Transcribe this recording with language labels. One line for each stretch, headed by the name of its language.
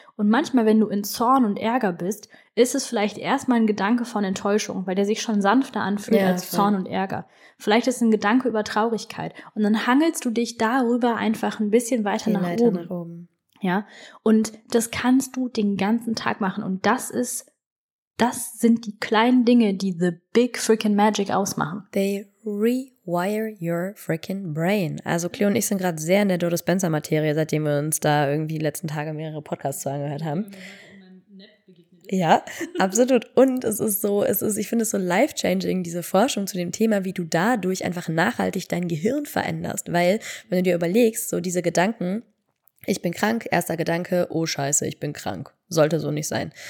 German: Und manchmal, wenn du in Zorn und Ärger bist, ist es vielleicht erstmal ein Gedanke von Enttäuschung, weil der sich schon sanfter anfühlt als Zorn und Ärger. Vielleicht ist es ein Gedanke über Traurigkeit. Und dann hangelst du dich darüber einfach ein bisschen weiter nach oben. Ja. Und das kannst du den ganzen Tag machen. Und das sind die kleinen Dinge, die
English: the big freaking magic
German: ausmachen.
English: They rewire your freaking brain.
German: Also Cleo und ich sind gerade sehr in der Doris Benzer Materie, seitdem wir uns da irgendwie die letzten Tage mehrere Podcasts zu angehört haben. Ja, absolut. Und ich finde es so life-changing, diese Forschung zu dem Thema, wie du dadurch einfach nachhaltig dein Gehirn veränderst. Weil, wenn du dir überlegst, so diese Gedanken, ich bin krank, erster Gedanke, oh scheiße, ich bin krank. Sollte so nicht sein.